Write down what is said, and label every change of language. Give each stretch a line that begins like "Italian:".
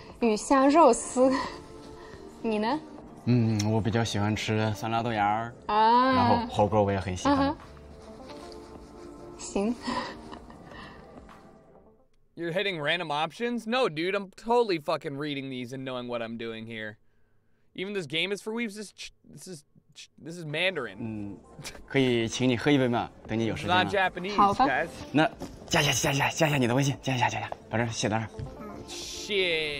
Chinese: 我喜欢吃火锅，喜欢吃鱼香肉丝。你呢？嗯，我比较喜欢吃酸辣豆芽儿，然后火锅我也很喜欢。行。
English: You're hitting random options? No, dude, I'm totally fucking reading these and knowing what I'm doing here. Even this game is for weebs. This is Mandarin.
Chinese: 嗯，可以请你喝一杯吗？等你有时间。
English: It's not Japanese, guys.
Chinese: 那加一下你的微信，加一下，把这写到那儿。
English: Shit.